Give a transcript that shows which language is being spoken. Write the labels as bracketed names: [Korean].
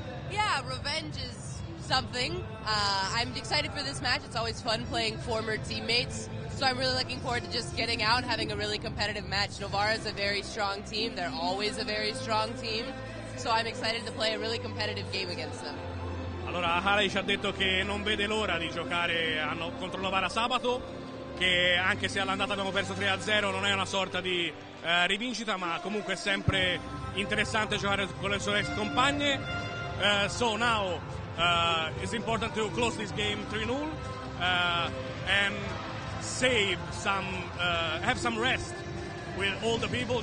[English] Yeah, revenge is something. I'm excited for this match. It's always fun playing former teammates, so I'm really looking forward to just getting out, having a really competitive match. Novara is a very strong team. They're always a very strong team, so I'm excited to play a really competitive game against them. [Italian] Allora, Harry ci ha detto che non vede l'ora di giocare contro Novara sabato, che anche se all'andata abbiamo perso 3-0 non è una sorta di rivincita, ma comunque è sempre interessante giocare con le sue ex compagne. [English] So now it's important to close this game 3-0 and save some, have some rest with all the people.